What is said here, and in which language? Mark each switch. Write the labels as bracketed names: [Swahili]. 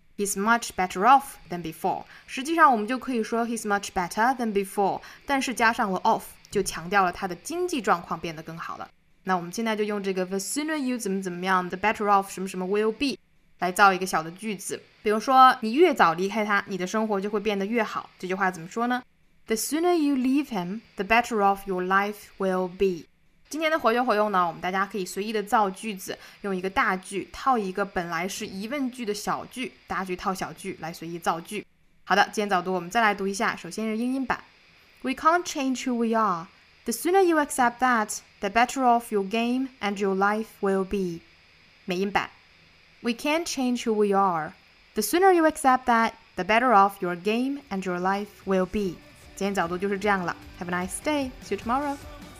[English] He's much better off than before. [Chinese] 实际上我们就可以说 [English] he's much better than before, [Chinese] 但是加上了 off, 就强调了他的经济状况变得更好了。那我们现在就用这个 [English] the sooner you [Chinese] 怎么怎么样 [English] the better off [Chinese] 什么什么 [English] will be [Chinese] 来造一个小的句子。比如说，你越早离开他，你的生活就会变得越好。这句话怎么说呢？ [English] The sooner you leave him, the better off your life will be. [Chinese] 今天的活学活用呢，我们大家可以随意的造句子，用一个大句套一个本来是疑问句的小句，大句套小句来随意造句。好的，今天早读我们再来读一下，首先是英音版。 [English] We can't change who we are. The sooner you accept that, the better off your game and your life will be. [Chinese] 美音版。 [English] We can't change who we are. The sooner you accept that, the better off your game and your life will be. [Chinese] 今天早读就是这样了。 [English] Have a nice day. See you tomorrow.